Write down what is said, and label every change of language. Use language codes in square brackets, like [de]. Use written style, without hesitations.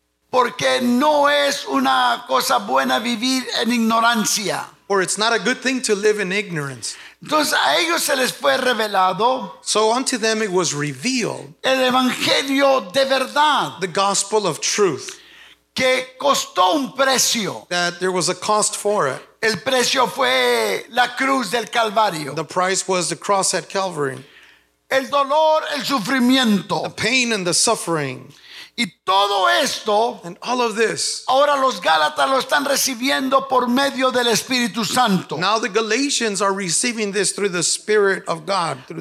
[es] Porque no es una cosa buena vivir en ignorancia. [en] Or it's not a good thing to live in ignorance. [es] Entonces a ellos se les fue revelado. [en] So unto them it was revealed. [es] El evangelio de verdad. [en] The gospel of truth. [es] Que costó un precio. [en] That there was a cost for it. [es] El precio fue la cruz del Calvario. [en] The price was the cross at Calvary. [es] El dolor, el sufrimiento. [en] The pain and the suffering. [es] Y todo esto, [en] and all of this, [es] ahora los Gálatas lo están recibiendo por medio del Espíritu Santo. [en] Now the Galatians are receiving this through the Spirit of God, through